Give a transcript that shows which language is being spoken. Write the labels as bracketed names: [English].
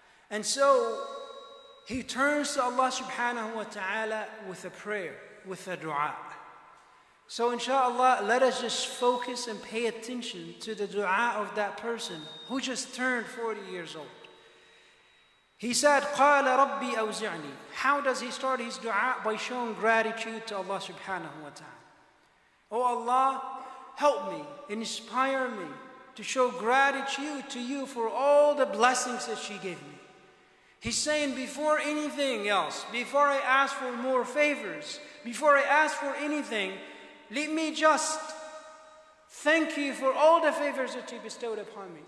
[English] And so he turns to Allah subhanahu wa ta'ala with a prayer, with a dua. So inshallah, let us just focus and pay attention to the dua of that person who just turned 40 years old. He said, [Arabic] قَالَ رَبِّي أَوْزِعْنِي. [English] How does he start his dua? By showing gratitude to Allah subhanahu wa ta'ala. Oh Allah, help me, inspire me to show gratitude to you for all the blessings that she gave me. He's saying, before anything else, before I ask for more favors, before I ask for anything, let me just thank you for all the favors that you bestowed upon me.